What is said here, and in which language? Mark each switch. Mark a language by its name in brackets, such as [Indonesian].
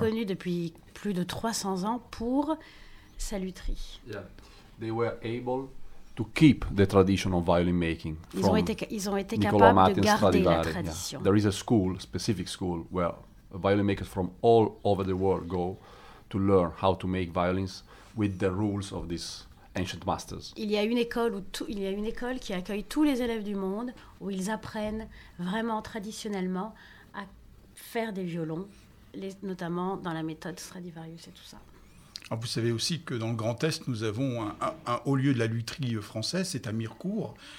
[French] Mais c'est connu depuis plus de 300 ans pour sa lutherie. [English] Yeah. They were able to keep the tradition of violin making. [French] Ils ont été capables de garder la tradition. [English] Yeah. There is a school, specific school where violin makers from all over the world go to learn how to make violins with the rules of this ancient masters. [French] Il y a une école qui accueille tous les élèves du monde où ils apprennent vraiment traditionnellement à faire des violons, notamment dans la méthode Stradivarius et tout ça. Alors vous savez aussi que dans le Grand Est, nous avons un haut lieu de la lutherie française, c'est à Mirecourt.